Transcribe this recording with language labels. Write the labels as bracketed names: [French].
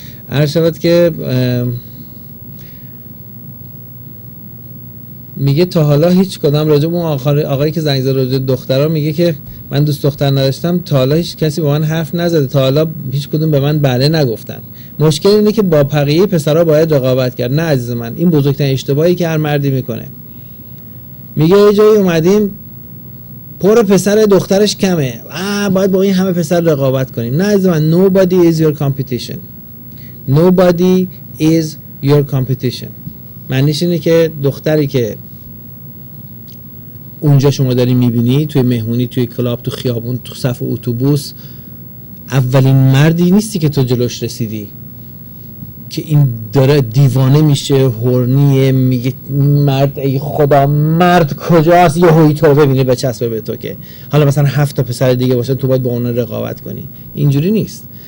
[Persian] عرض شد که میگه تا حالا هیچ کدام راجع به اون آقایی که زنگ زد راجع به دخترها، میگه که من دوست دختر نداشتم، تا حالا هیچ کسی با من حرف نزده، تا حالا هیچ کدوم به من بله نگفتن. مشکل اینه که با بقیه پسرها باید رقابت کرد. نه عزیز من، این بزرگترین اشتباهی که هر مردی میکنه. میگه یه جایی اومدیم پر پسر دخترش کمه، باید با این همه پسر رقابت کنیم. نه عزیز من، [English] nobody is your competition. Nobody is your competition. [Persian] معنیش اینه که دختری که اونجا شما داری میبینی توی مهمونی، توی کلاب، توی خیابون، توی صف اتوبوس، اولین مردی نیستی که تو جلوش رسیدی که این داره دیوانه میشه، هورنیه، میگه مرد ای خدا مرد کجاست، یه هایی تو ببینه به چسبه به تو، که حالا مثلا هفت تا پسر دیگه باشه تو باید با اون رقابت کنی. اینجوری نیست.